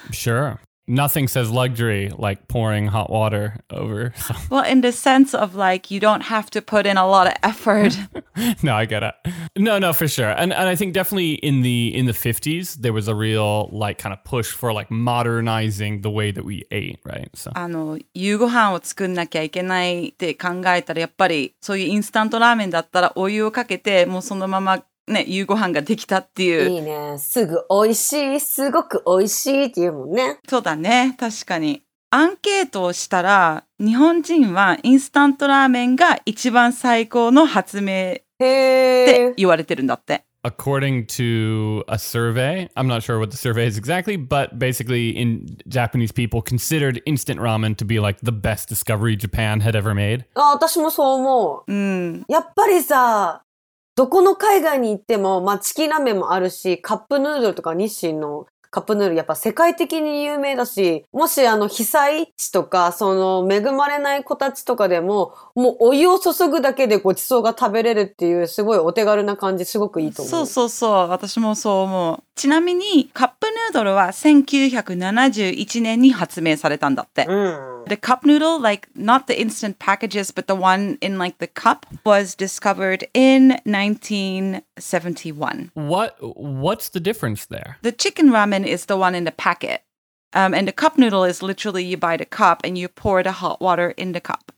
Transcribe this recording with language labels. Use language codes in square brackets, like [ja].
[en] Sure. Nothing says luxury like pouring hot water over. Well, in the sense of like you don't have to put in a lot of effort. No, I get it. No, for sure. And I think definitely in the 50s, there was a real like kind of push for like modernizing the way that we ate, right? So. [ja] 夕ご飯を作んなきゃいけないって考えたらやっぱりそういうインスタントラーメンだったらお湯をかけてもうそのままね、夕ご飯ができたっていういいね、すぐ美味しい、すごく美味しいっていうもんねそうだね、確かにアンケートをしたら日本人はインスタントラーメンが一番最高の発明って言われてるんだって [en] According to a survey, I'm not sure what the survey is exactly, but basically in Japanese people considered instant ramen to be like the best discovery Japan had ever made [ja] あ、私もそう思ううん、やっぱりさどこの海外に行っても、まあ、チキンラーメンもあるし、カップヌードルとか日清のカップヌードル、やっぱ世界的に有名だし、もし被災地とか、その恵まれない子たちとかでも、もうお湯を注ぐだけでごちそうが食べれるっていう、すごいお手軽な感じ、すごくいいと思う。そうそうそう、私もそう思う。ちなみに、カップヌードルは1971年に発明されたんだって。 [en] The cup noodle, like not the instant packages, but the one in like the cup, was discovered in 1971. What's the difference there? The chicken ramen is the one in the packet. And the cup noodle is literally you buy the cup and you pour the hot water in the cup.